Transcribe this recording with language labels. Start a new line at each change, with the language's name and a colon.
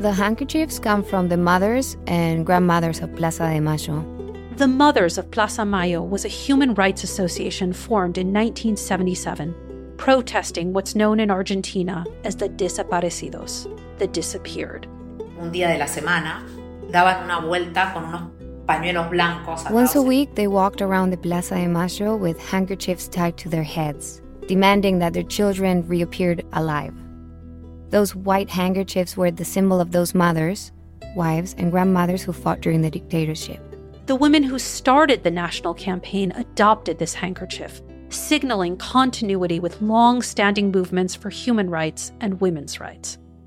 English: The handkerchiefs come from the mothers and grandmothers of Plaza de Mayo. The Mothers of Plaza Mayo was a human rights association formed in 1977, protesting what's known in Argentina as the desaparecidos, the disappeared.
Spanish: Un día de la semana, daban una vuelta con unos pañuelos blancos.
English: Once a week, they walked around the Plaza de Mayo with handkerchiefs tied to their heads, demanding that their children reappeared alive. Those white handkerchiefs were the symbol of those mothers, wives, and grandmothers who fought during the dictatorship. The women who started the national campaign adopted this handkerchief, signaling continuity with long-standing movements for human rights and women's rights.